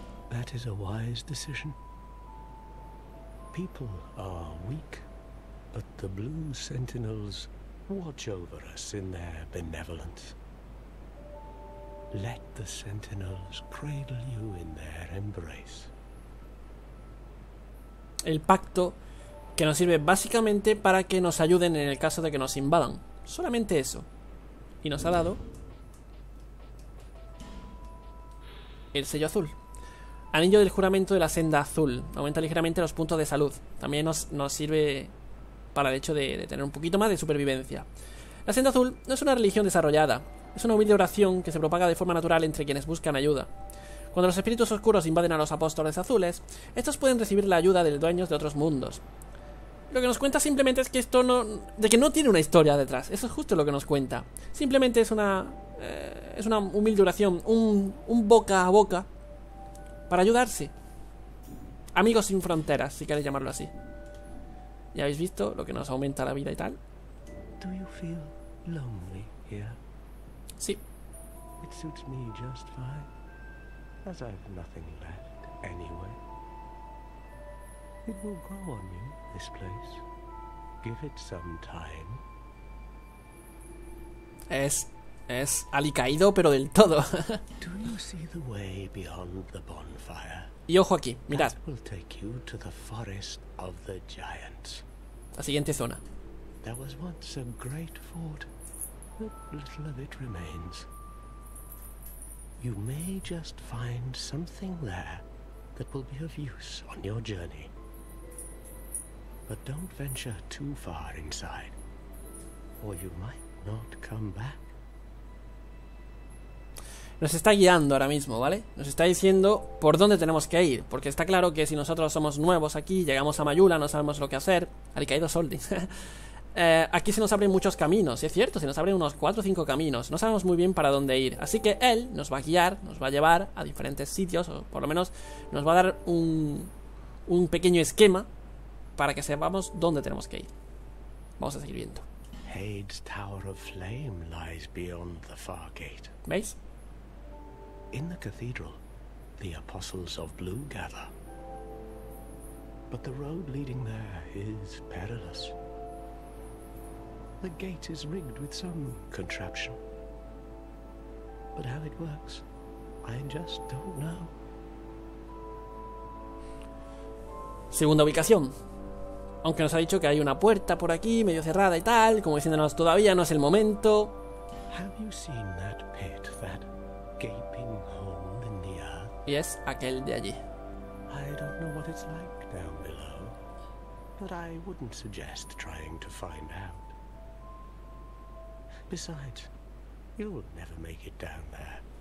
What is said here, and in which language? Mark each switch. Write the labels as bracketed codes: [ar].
[en] That is a wise decision. People are weak, But the Blue Sentinels watch over us in their benevolence. Let the Sentinels cradle you in their embrace. [es] El pacto que nos sirve básicamente para que nos ayuden en el caso de que nos invadan. Solamente eso. Y nos ha dado el sello azul. Anillo del juramento de la senda azul. Aumenta ligeramente los puntos de salud. También nos sirve para el hecho de tener un poquito más de supervivencia. La senda azul no es una religión desarrollada. Es una humilde oración que se propaga de forma natural entre quienes buscan ayuda. Cuando los espíritus oscuros invaden a los apóstoles azules, estos pueden recibir la ayuda de dueños de otros mundos. Lo que nos cuenta simplemente es que esto no... de que no tiene una historia detrás. Eso es justo lo que nos cuenta. Simplemente es una... es una humilde oración. Un boca a boca. Para ayudarse. Amigos sin fronteras, si queréis llamarlo así. ¿Ya habéis visto lo que nos aumenta la vida y tal? ¿Te sientes [en] lonely [es] aquí? Sí. [en] It suits me just fine, as I've nothing left anyway. It will grow on you, this place. Give it some time. [es] Es alicaído, pero del todo. [en] Do you see the way beyond the bonfire? [es] Y ojo aquí, mirad. [en] That will take you to the forest of the giants. [es] La siguiente zona. [en] There was once a great fort. Little of it remains. You may just find something there that will be of use on your journey. But don't venture too far inside, or you might not come back. [es] Nos está guiando ahora mismo, ¿vale? Nos está diciendo por dónde tenemos que ir, porque está claro que si nosotros somos nuevos aquí, llegamos a Mayula, no sabemos lo que hacer. Alicaído Solding. aquí se nos abren muchos caminos, y es cierto, se nos abren unos 4 o 5 caminos. No sabemos muy bien para dónde ir, así que él nos va a guiar, nos va a llevar a diferentes sitios, o por lo menos nos va a dar un pequeño esquema para que sepamos dónde tenemos que ir. Vamos a seguir viendo. [en] Hade's Tower of Flame lies beyond the far gate. [es] ¿Veis? [en] In the cathedral, the apostles of blue gather. But the road leading there is perilous. The gate is rigged with some contraption. But how it works, I just don't know. [es] Segunda ubicación. Aunque nos ha dicho que hay una puerta por aquí, medio cerrada y tal, como diciéndonos todavía no es el momento. [en] Have you seen that pit, that gaping hole in the earth? [es] Y es aquel de allí. [en] I don't know what it's like down below, but I wouldn't suggest trying to find out. Besides, you'll never make it down there.